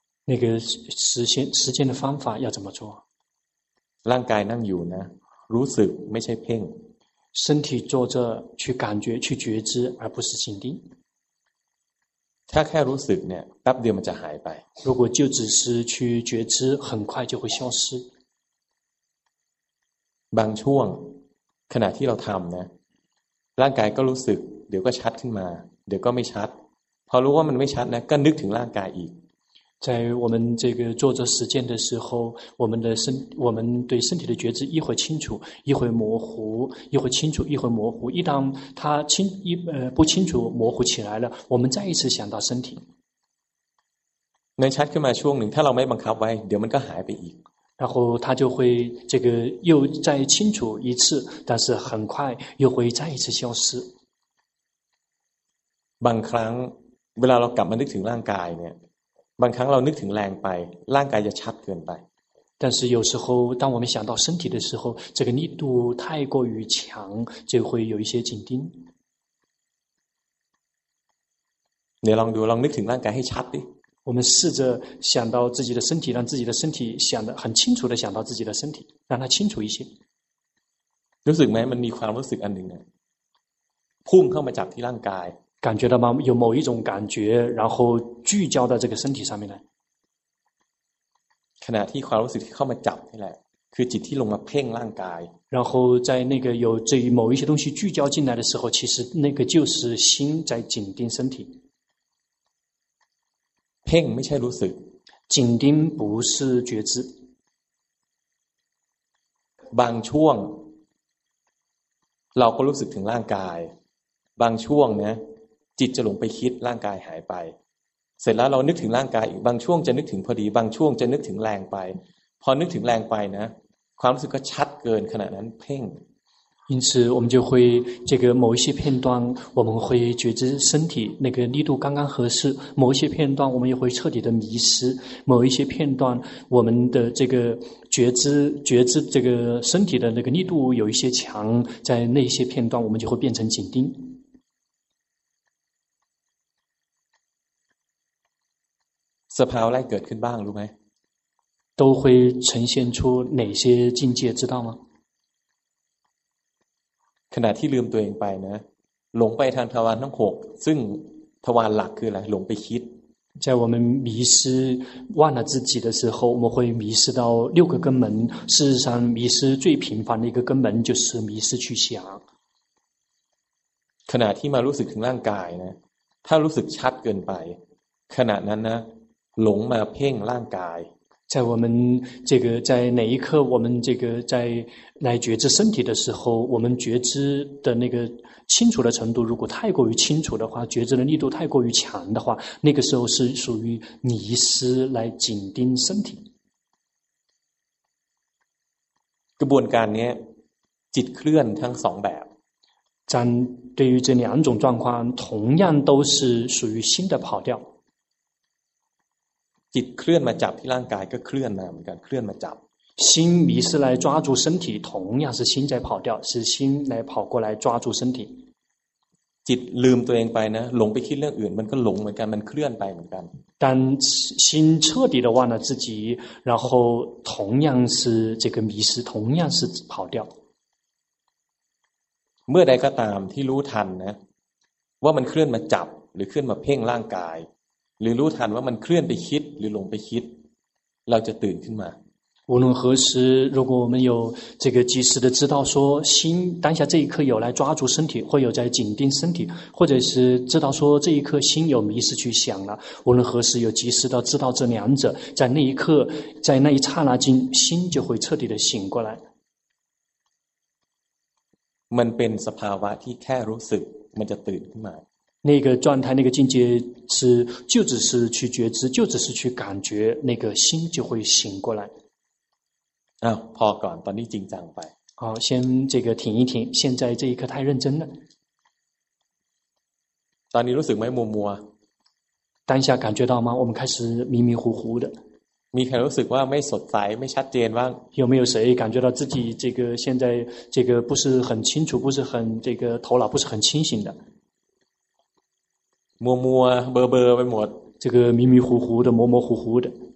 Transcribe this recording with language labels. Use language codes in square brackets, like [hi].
[zh] 那个实践的方法要怎么做 [th] ร่างกายนั่งอยู่นะรู้สึกไม่ใช่เพ่ง [zh] 身体坐着去感觉去觉知而不是紧盯 [th] ถ้าแค่รู้สึกเนี่ยแป๊บเดียวมันจะหายไป [zh] 如果就只是去觉知很快就会消失 [th] บางช่วงขณะที่เราทำนะร่างกายก็รู้สึกเดี๋ยวก็ชัดขึ้นมาเดี๋ยวก็ไม่ชัดพอรู้ว่ามันไม่ชัดนะก็นึกถึงร่างกายอีก [zh] 在我们这个做着实践的时候我们对身体的觉知一会清楚一会模糊一会清楚一会模糊一旦它不清楚模糊起来了我们再一次想到身体 [th] 能ชัดขึ้นมาช่วงหนึ่งถ้าเราไม่บังคับไว้เดี๋ยวมันก็หายไปอีก [zh] 然后它就会这个又再清楚一次但是很快又会再一次消失 [th] บางครั้งเวลาเรากลับมานึกถึงร่างกายเนี่ยบางครั้งเรานึกถึงแรงไปร่างกายจะชัดเกินไป [zh] 但是有时候当我们想到身体的时候这个力度太过于强就会有一些紧盯 [th] เดี๋ยวลองดูลองนึกถึงร่างกายให้ชัดดิ [zh] 我们试着想到自己的身体让自己的身体想得很清楚地想到自己的身体让它清楚一些 [th] รู้สึกไหมมันมีความรู้สึกอันหนึ่งพุ่งเข้ามาจากที่ร่างกาย [zh] 感觉到吗？有某一种感觉，然后聚焦到这个身体上面来。 [th] ขณะที่ความรู้สึกที่เข้ามาจับนี่แหละคือจิตที่ลงมาเพ่งร่างกาย。 [zh] 然后在那个有这某一些东西聚焦进来的时候，其实那个就是心在紧盯身体。 [th] เพ่งไม่ใช่รู้สึก。 [zh] 紧盯不是觉知。 [th] บางช่วงเราก็รู้สึกถึงร่างกาย。 บางช่วงเนี่ยจิตจะหลงไปคิดร่างกายหายไปเสร็จแล้วเรานึกถึงร่างกายอีกบางช่วงจะนึกถึงพอดีบางช่วงจะนึกถึงแรงไปพอนึกถึงแรงไปนะความรู้สึกก็ชัดเกินขณะนั้นเพ่ง [zh] 因此我们就会这个某一些片段我们会觉知身体那个力度刚刚合适，某一些片段我们也会彻底的迷失，某一些片段我们的这个觉知这个身体的那个力度有一些强，在那些片段我们就会变成紧盯。 [th] สภาวะอะไรเกิดขึ้นบ้างรู้ไหม [zh] 都会呈现出哪些境界知道吗 [th] ขณะที่ลืมตัวเองไปนะหลงไปทางทวารทั้ง6ซึ่งทวารหลักคืออะไรหลงไปคิด [zh] 在我们迷失忘了自己的时候我们会迷失到6个根本事实上迷失最频繁的一个根本就是迷失去想 [th] ขณะที่มารู้สึกถึงร่างกายนะถ้ารู้สึกชัดเกินไปขณะนั้นนะหลงมาเพ่งร่างกาย [zh] 在我们这个在哪一刻我们这个在来觉知身体的时候我们觉知的那个清楚的程度如果太过于清楚的话觉知的力度太过于强的话那个时候是属于迷失来紧盯身体 [th] กระบวนการนี้จิตเคลื่อนทั้งสองแบบ [zh] 但对于这两种状况同样都是属于新的跑调 [th] จิตเคลื่อนมาจับที่ร่างกายก็เคลื่อนมาเหมือนกันเคลื่อนมาจับ [zh] 心迷失来抓住身体同样是心在跑掉是心来跑过来抓住身体 [th] จิตลืมตัวเองไปนะหลงไปคิดเรื่องอื่นมันก็หลงเหมือนกันมันเคลื่อนไปเหมือนกัน [zh] 但心彻底的忘了自己然后同样是这个迷失同样是跑掉 [th] เมื่อใดก็ตามที่รู้ทันนะว่ามันเคลื่อนมาจับหรือเคลื่อนมาเพ่งร่างกายหรือรู้ทันว่ามันเคลื่อนไปคิดหรือหลงไปคิดเราจะตื่นขึ้นมา [zh] 无论何时如果我们有这个及时的知道说心当下这一刻有来抓住身体或有在紧盯身体或者是知道说这一刻心有迷失去想了无论何时有及时的知道这两者在那一刻在那一刹那间心就会彻底的醒过来 [th] มันเป็นสภาวะที่แค่รู้สึกมันจะตื่นขึ้นมา [zh] 那个状态那个境界是就只是去觉知就只是去感觉那个心就会醒过来啊好 [th] ก่อนตอนนี้จริงจังไป [zh] 好先这个停一停现在这一刻太认真了 [th] ตอนนี้รู้สึกไหมมัวมัว [zh] 当下感觉到吗我们开始迷迷糊糊的 [th] มีใครรู้สึกว่าไม่สดใสไม่ชัดเจนบ้าง [zh] 有没有谁感觉到自己这个现在这个不是很清楚不是很这个头脑不是很清醒的 [th] มัวมัวเบอร์เบอร์ไปหมด [zh] 这个迷迷糊糊的模模糊糊的